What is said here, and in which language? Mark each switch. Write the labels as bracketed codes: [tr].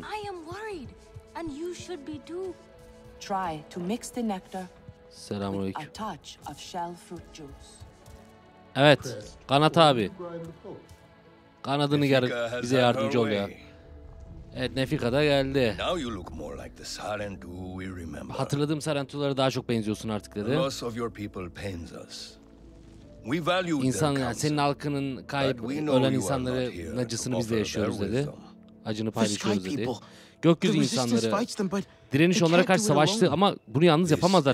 [en] I am worried and you should be too. Try to mix the nectar. [tr] Selamünaleyküm. [en] A touch of shell fruit juice. [tr] Evet, kanat abi. Kanadını gel, bize yardımcı ol ya. Evet, Nefika da geldi. [en] Now you look more like the Sarentu we remember. [tr] Hatırladığım Sarentulara daha çok benziyorsun artık dedi. [en] The loss of your people pains us. We value their [tr] insan, yani senin halkının kayıp ölen insanların acısını biz de yaşıyoruz dedi. Acını paylaşıyoruz dedi. Gökyüzü insanları direniş onlara karşı savaştı ama bunu yalnız yapamazlar.